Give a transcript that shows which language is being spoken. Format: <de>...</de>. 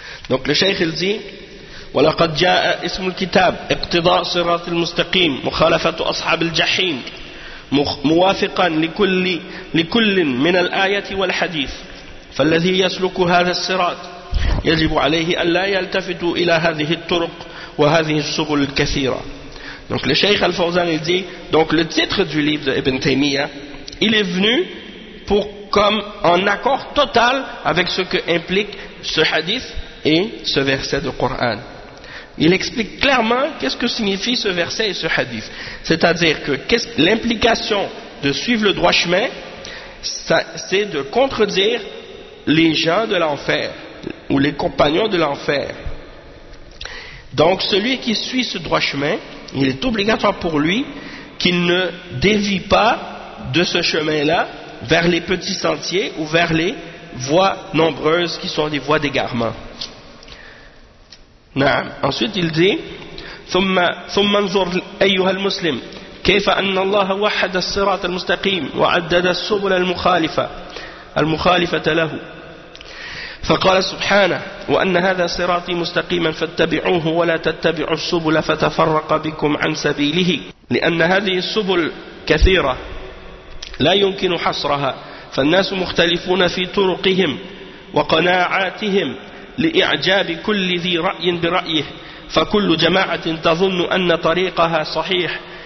<fr>Donc le cheikh il dit,</fr> <ar>ولقد جاء اسم الكتاب اقتضاء صراط المستقيم مخالفة أصحاب الجحيم موافقا لكل من الآية والحديث فالذي يسلك هذا الصراط يجب عليه أن لا يلتفت إلى هذه الطرق وهذه السبل الكثيرة.</ar> <fr>Donc le cheikh Al-Fawzan il dit, donc le titre du livre d'Ibn Taymiyyah, il est venu pour comme en accord total avec ce que implique ce hadith et ce verset du Coran. Il explique clairement qu'est-ce que signifie ce verset et ce hadith. C'est-à-dire que l'implication de suivre le droit chemin, ça, c'est de contredire les gens de l'enfer ou les compagnons de l'enfer. Donc celui qui suit ce droit chemin, il est obligatoire pour lui qu'il ne dévie pas de ce chemin-là vers les petits sentiers ou vers les voies nombreuses qui sont des voies d'égarement.</fr> <ar>نعم.</ar> <fr>Ensuite il dit,</fr> <ar>ثم انظر أيها المسلم كيف أن الله وحد الصراط المستقيم وعدد السبل المخالفة له فقال سبحانه وأن هذا صراطي مستقيما فاتبعوه ولا تتبعوا السبل فتفرق بكم عن سبيله لأن هذه السبل كثيرة لا يمكن حصرها فالناس مختلفون في طرقهم وقناعاتهم لإعجاب كل ذي رأي برأيه فكل جماعة تظن أن طريقها صحيح</ar>